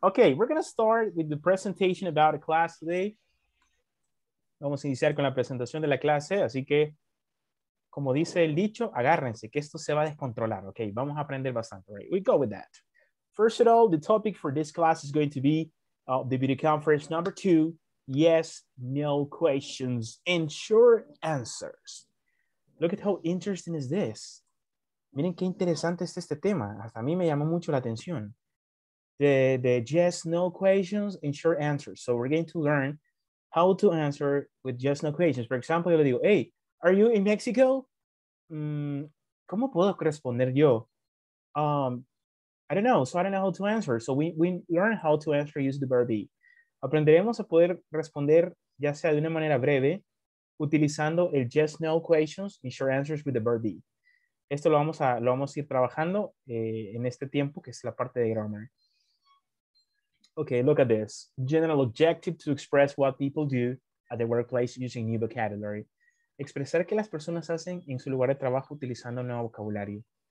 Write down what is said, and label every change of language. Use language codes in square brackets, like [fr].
[en] Okay, we're going to start with the presentation about a class today. [es] Vamos a iniciar con la presentación de la clase, así que como dice el dicho, agárrense, que esto se va a descontrolar. [en] Okay, [es] vamos a aprender bastante. [en] Right, we go with that. First of all, the topic for this class is going to be the video conference number 2, yes, no questions and short answers. Look at how interesting is this. [es] Miren qué interesante es este tema. Hasta a mí me llamó mucho la atención. [en] The yes, no questions and short answers. So we're going to learn how to answer with yes, no questions. For example, [es] yo le digo, [en] hey, are you in Mexico? [es] ¿Cómo puedo responder yo? [en] I don't know. So I don't know how to answer. So we learn how to answer using the verb be. [es] Aprenderemos a poder responder ya sea de una manera breve utilizando el [en] yes, no questions and short answers with the verb be. [es] Esto lo vamos a ir trabajando en este tiempo que es la parte de grammar. [en] Okay, look at this. General objective to express what people do at the workplace using new vocabulary. [es] Expresar qué las personas hacen en su lugar de trabajo utilizando nuevo vocabulario.